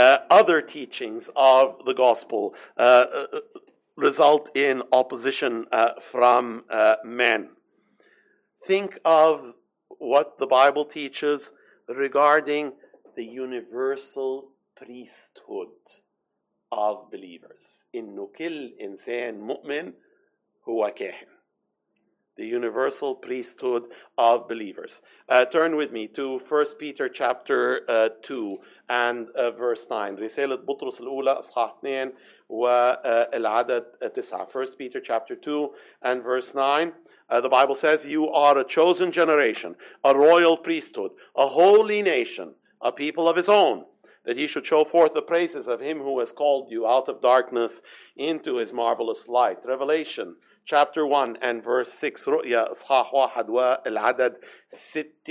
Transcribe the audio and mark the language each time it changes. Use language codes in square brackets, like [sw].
[en] Other teachings of the gospel result in opposition from men. Think of what the Bible teaches regarding the universal priesthood of believers. [ar] إنه كل إنسان مؤمن هو كاهن. [en] The universal priesthood of believers. Turn with me to 1 Peter chapter 2 and verse 9. [ar] رسالة بطرس الأولى أصحاح 2 والعدد 9. [en] 1 Peter chapter 2 and verse 9. The Bible says, you are a chosen generation, a royal priesthood, a holy nation, a people of his own, that he should show forth the praises of him who has called you out of darkness into his marvelous light. Revelation chapter 1 and verse 6. [ar] رؤيا إصحاح واحد والعدد 6.